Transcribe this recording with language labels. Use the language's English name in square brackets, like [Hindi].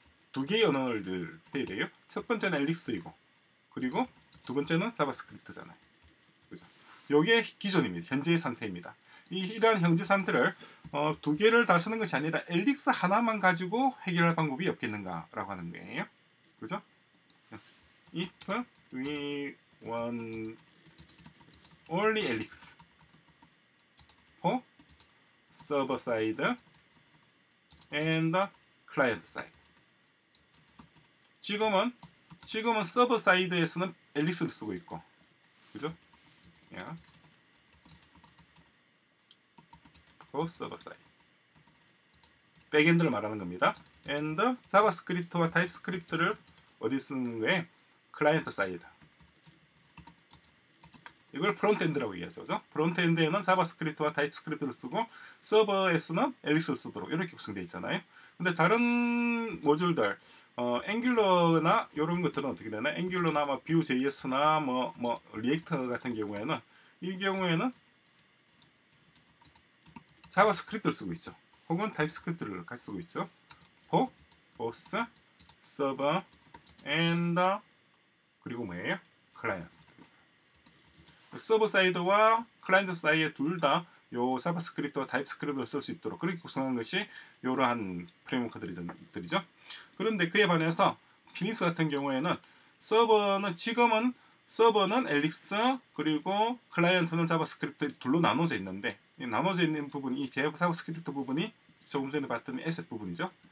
[Korean] 두 개의 언어를 해야 돼요. 첫 번째는 엘릭스이고 그리고 두 번째는 자바스크립트잖아요. 그죠? 요게 기존입니다. 현재의 상태입니다. 이러한 현재 상태를 두 개를 다 쓰는 것이 아니라 엘릭스 하나만 가지고 해결할 방법이 없겠는가 라고 하는 거예요. 그죠? [English] If we want only Elix for server side and client side. [Korean] 지금은 서버 사이드에서는 Elix를 쓰고 있고, 그죠? [English] Yeah. For server side. [Korean] 백엔드를 말하는 겁니다. And JavaScript와 TypeScript를 어디 쓰는 거예요? 클라이언트 사이드. 이걸 프론트엔드라고 이해하죠. 그렇죠? 프론트엔드에는 자바스크립트와 타입스크립트를 쓰고 서버에서는 엘릭스를 쓰도록 이렇게 구성되어 있잖아요. 근데 다른 모듈들 앵귤러나 이런 것들은 어떻게 되나? 앵귤러나 뭐 뷰.js나 뭐 리액터 같은 경우에는 이 경우에는 자바스크립트를 쓰고 있죠. 혹은 타입스크립트를 같이 쓰고 있죠. [English] for both server and [Korean] 그리고 뭐예요? 클라이언트. 서버 사이드와 클라이언트 사이에 둘 다 요 자바스크립트와 타입스크립트를 쓸 수 있도록 그렇게 구성한 것이 이러한 프레임워크들이죠. 그런데 그에 반해서 피닉스 같은 경우에는 지금은 서버는 엘릭스 그리고 클라이언트는 자바스크립트 둘로 나눠져 있는데 나눠져 있는 부분이 이 자바스크립트 부분이 조금 전에 봤던 에셋 부분이죠.